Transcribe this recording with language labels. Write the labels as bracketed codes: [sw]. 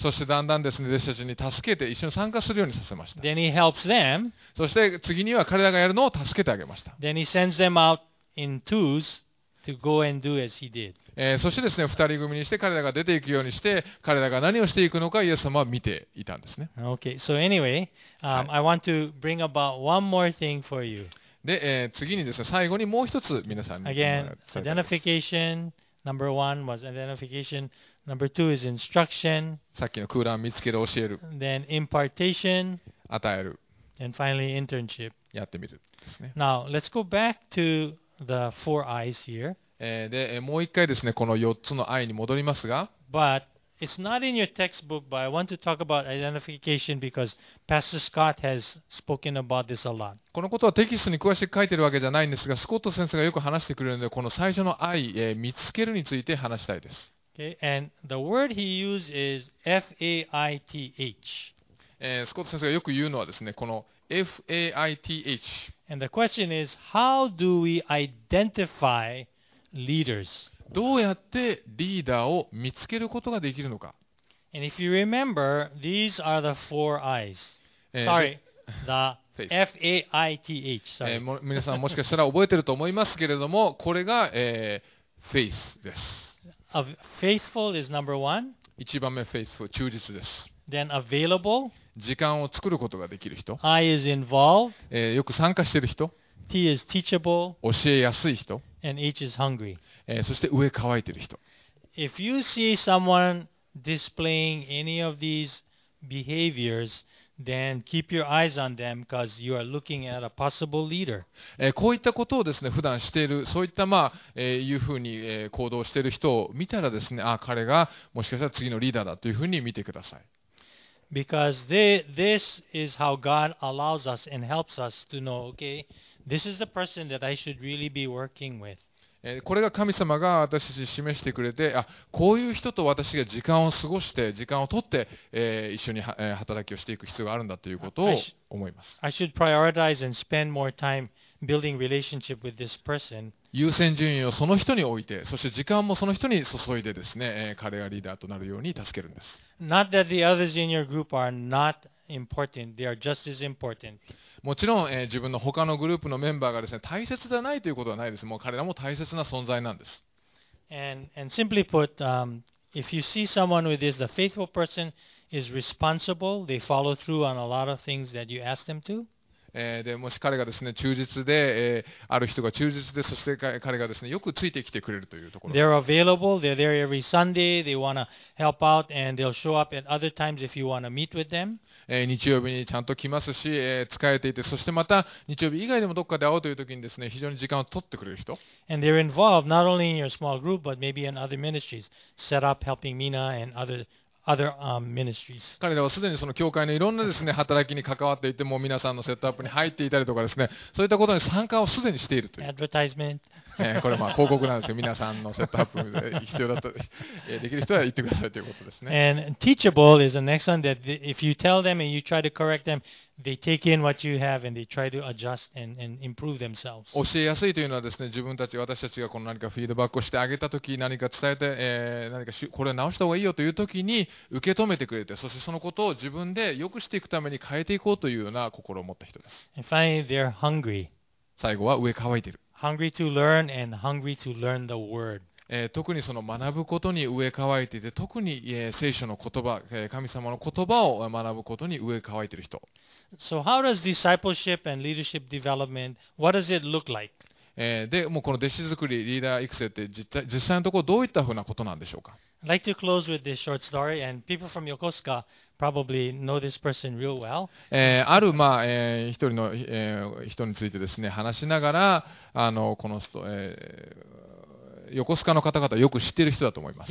[ja] そしてだんだんですね、弟子たちに助けて一緒に参加するようにさせました。 [en] Then he helps them. [ja] そして次には彼らがやるのを助けてあげました。 [en] Then he sends them out in twos. to go and do as he did. [ja] そしてですね、二人組にして彼らが出ていくようにして、彼らが何をしていくのかイエス様は見ていたんですね。 [en] Okay, so anyway, I want to bring about one more thing for you. [ja] で、次にですね、最後にもう一つ皆さんに。 [en] Again, identification number one was identification. Number two is instruction. [ja] さっきの空欄見つける教える。 [en] Then impartation. [ja] 与える。 [en] And finally, internship. [ja] やってみるですね。 [en] Now, let's go back to the four eyes here. [ja] でもう一回ですね、この4つの愛に戻りますが、 [en] But it's not in your textbook, but I want to talk about identification because Pastor Scott has spoken about this a lot. [ja] このことはテキストに詳しく書いてるわけじゃないんですが、スコット先生がよく話してくれるので、この最初の愛、見つけるについて話したいです。 [en] Okay, and the word he used is F-A-I-T-H. [ja] スコット先生がよく言うのはですね、この F-A-I-T-H。 [en] And the question is, how do we identify? Leaders. [ja] どうやってリーダーを見つけることができるのか。 [en] And if you remember, these are the four eyes. Sorry, the F-A-I-T-H. Sorry. [ja] 皆さんもしかしたら覚えてると思いますけれども、これが、faith です。 [en] Faithful is number one. [ja] 一番目 faithful、忠実です。 [en] Then available. [ja] 時間を作ることができる人。 [en] I is involved. [ja] よく参加している人。 [en] T is teachable. [ja] 教えやすい人。 [en] And H is hungry. [ja] そして上乾いてる人。 [en] If you see someone displaying any of these behaviors, then keep your eyes on them because you are looking at a possible leader. [ja] こういったことをですね、普段している、そういったまあ、いうふうに行動している人を見たらですね、あ、彼がもしかしたら次のリーダーだというふうに見てください。 [en] Because this is how God allows us and helps us to know, okay? This is the person that I should really be working with. [ja] これが神様が私たちに示してくれて、あ、こういう人と私が時間を過ごして、時間を取って、一緒に働きをしていく必要があるんだということを思います。 [en] I should prioritize and spend more time building relationship with this person. [ja] 優先順位をその人に置いて、そして時間もその人に注いでですね、彼がリーダーとなるように助けるんです。 [en] Not that the others in your group are not important. They are just as important. [ja] もちろん、自分の他のグループのメンバーがですね、大切ではないということはないです。もう彼らも大切な存在なんです。 [en] And simply put, if you see someone with this, the faithful person is responsible. They follow through on a lot of things that you ask them to. [ja] でもし彼がですね、忠実で、ある人が忠実で、そして彼がですね、よくついてきてくれるというところ。 [en] They're available. They're there every Sunday. They want to help out and they'll show up at other times if you want to meet with them. [ja] 日曜日にちゃんと来ますし、使えていて、そしてまた日曜日以外でもどっかで会おうという時にですね、非常に時間を取ってくれる人。 [en] And they're involved not only in your small group, but maybe in other ministries. Set up helping Mina and other ministries. [ja] 彼らはすでにその教会のいろんなですね、働きに関わっていて、もう皆さんのセットアップに入っていたりとかですね、そういったことに参加をすでにしているという。 [en] Advertisement. [ja] これはまあ広告なんですよ。皆さんのセットアップで必要だったり、できる人は言ってくださいということですね。 [en] And teachable is the next one that if you tell them and you try to correct them, they take in what you have and they try to adjust and improve themselves. [ja] 教えやすいというのはですね、自分たち私たちがこの何かフィードバックをしてあげたとき、何か伝えて、何かこれ直した方がいいよというときに受け止めてくれて、そしてそのことを自分で良くしていくために変えていこうというような心を持った人です。 [en] And finally, they're hungry. [ja] 最後は上乾いている。 [en] Hungry to learn and hungry to learn the word. [ja] 特にその学ぶことに飢え渇いていて、特に、聖書の言葉、神様の言葉を学ぶことに飢え渇いている人。 [en] So how does discipleship and leadership development, what does it look like? [ja] でもうこの弟子作り、リーダー育成って実際のところどういったふうなことなんでしょうか。 [en] I'd like to close with this short story, and people from Yokosuka probably know this person real well. [ja] ある、まあ一人の、人についてですね、話しながら、この人、Yokosukaの方々よく知っている人だと思います。